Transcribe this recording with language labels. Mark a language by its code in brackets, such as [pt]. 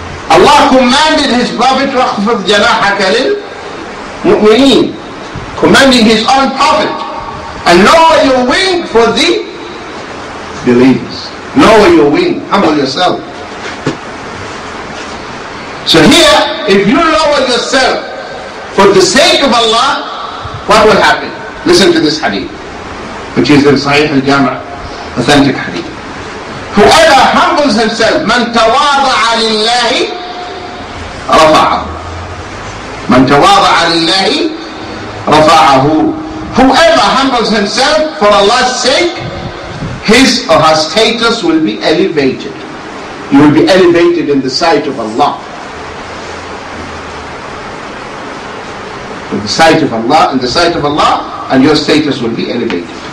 [en] Allah commanded his prophet, [ar] رَخْفَضْ جَنَاحَكَ لِلْمُؤْمِنِينَ, [en] commanding his own prophet, and lower your wing for the believers. Lower your wing, humble yourself. So here, if you lower yourself for the sake of Allah, what will happen? Listen to this hadith, which is in Sahih al-Jama', authentic hadith. Whoever humbles himself, [ar] من تواضع لله رفعه. من تواضع لله رفعه. [en] Whoever humbles himself for Allah's sake, his or her status will be elevated. You will be elevated in the sight of Allah. In the sight of Allah, in the sight of Allah, and your status will be elevated.